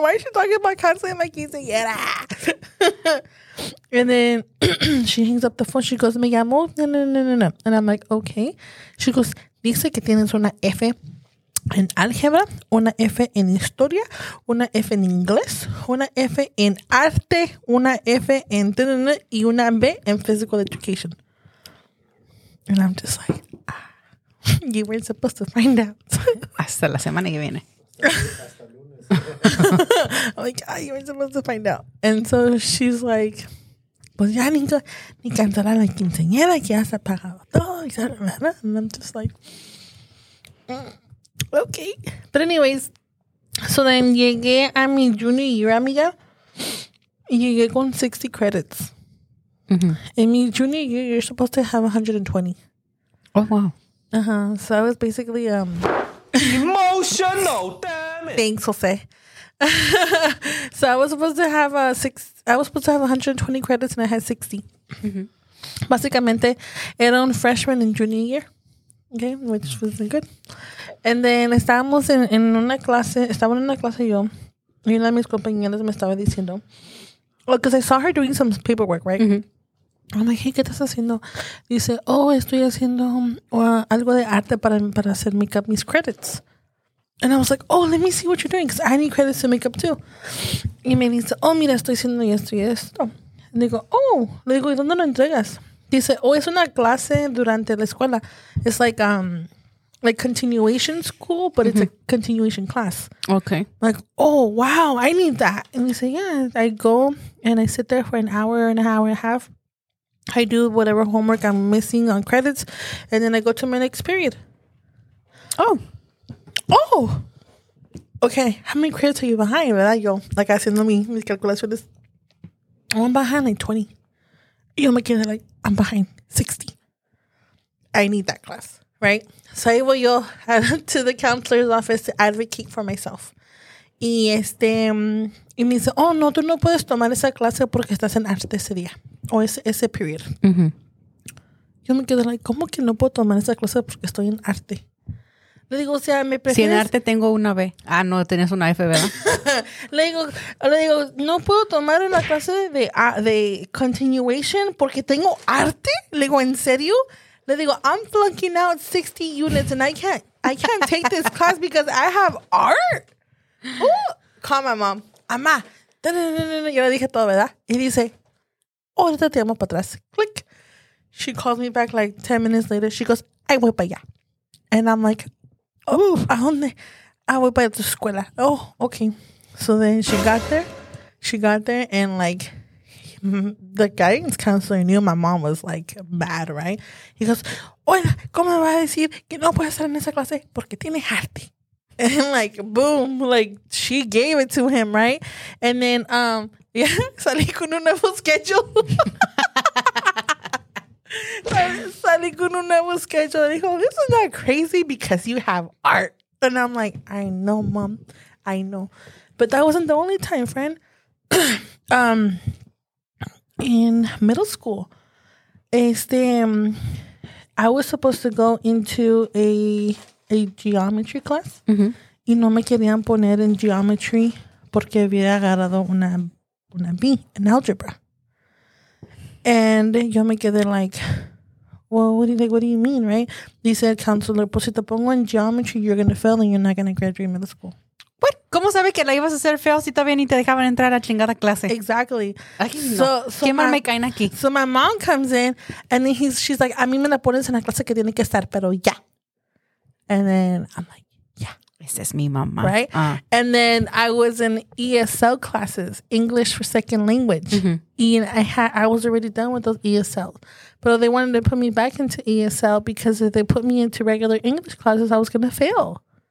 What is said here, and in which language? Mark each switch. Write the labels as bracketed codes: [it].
[en] Why is she talking about canceling my quinceañera? And then she hangs up the phone. She goes, [es] me llamo. No. [en] And I'm like, okay. [es] She goes, dice que tienes una F en álgebra, una F en historia, una F en inglés, una F en arte, una F en y una B en physical education. [en] And I'm just like, you weren't supposed to find out. [es] Hasta la semana que viene. [en] I'm like, you weren't supposed to find out. And so she's like, [es] pues ya ni cantará la quinceañera que ya se ha pagado todo. [en] And I'm just like, okay. But anyways, so then [es] llegué a mi [en] junior year, amiga. [es] Y llegué con 60 credits. Mm-hmm. [en] In my junior year, you're supposed to have 120. Oh, wow. Uh-huh. So I was basically emotional, damn it. Thanks, Jose. So I was supposed to have I was supposed to have 120 credits and I had 60. Mm-hmm. [es] Basicamente, era un [en] freshman in junior year. Okay, which wasn't good. And then [es] estábamos en una clase yo, y una de mis compañeras me estaba diciendo, [en] well, because I saw her doing some paperwork, [es] right? Mm-hmm. [en] I'm like, hey, [es] ¿qué estás haciendo? Dice, oh, estoy haciendo algo de arte para hacer make up mis credits. [en] And I was like, oh, let me see what you're doing, because I need credits to make up too. [es] Y me dice, oh, mira, estoy haciendo esto y esto. [en] And [es] digo, oh, le digo, ¿y dónde lo entregas? Dice, oh, es una clase durante la escuela. [en] It's like continuation school, but mm-hmm. It's a continuation class. Okay. Like, oh, wow, I need that. And he say, yeah, I go and I sit there for an hour and a half. I do whatever homework I'm missing on credits, and then I go to my next period. Oh. Okay, how many credits are you behind, [es] verdad? Yo, [en] like, [es] haciendo mis calculaciones. [en] I'm behind, like, 20. [es] Yo me quedé, [en] like, I'm behind 60. I need that class, right? So I will go to the counselor's office to advocate for myself. [es] Y este, y me dice, oh, no, tú no puedes tomar esa clase porque estás en arte ese día. O ese, ese period. Yo me quedo [en] like, [es] ¿cómo que no puedo tomar esa clase porque estoy en arte? Le digo, o sea, me prefieres... Si en arte tengo una B. Ah, no, tenías una F, ¿verdad? le digo, no puedo tomar una clase de continuation porque tengo arte. Le digo, ¿en serio? Le digo, [en] I'm flunking out 60 units and I can't take this class because I have art. [es] Ooh. [en] Call my mom. [es] Amá. Yo le dije todo, ¿verdad? Y dice, ahorita te llamo para atrás. [en] Click. She calls me back like 10 minutes later. She goes, I [es] voy para allá. [en] And I'm like, oh, [es] ¿a dónde? [en] I [es] voy para tu escuela. [en] Oh, okay. So then she got there. She got there and like... The guidance counselor knew my mom was like bad, right? [es] He goes, "Oye, ¿cómo me va a decir que no puede estar en esa clase porque tiene arte?" [en] And like, boom, like she gave it to him, right? And then, yeah, [es] salí con un nuevo schedule. Salí con un nuevo schedule. Dijo, [en] "This is not crazy because you have art." And I'm like, "I know, mom, I know," but that wasn't the only time, friend. In middle school, I was supposed to go into a geometry class. [es] Y no me querían poner en geometry porque había agarrado una B [en] in algebra. And [es] yo me quedé [en] like, well, what do you mean, right? They said, counselor, [es] pues si te pongo en [en] geometry, you're going to fail and you're not going to graduate middle school. What? [es] ¿Cómo sabe que la ibas a hacer feo si todavía ni te dejaban entrar a chingada clase? [en] Exactly. [es] ¿Qué mal me caen aquí? [en] So my mom comes in and she's like, [es] a mí me la pones en la clase que tiene que estar, pero ya. [en] And then I'm like, yeah. [es] Esa es mi mamá. [en] Right? And then I was in ESL classes, English for Second Language. And I was already done with those ESL. But they wanted to put me back into ESL because if they put me into regular English classes, I was going to fail.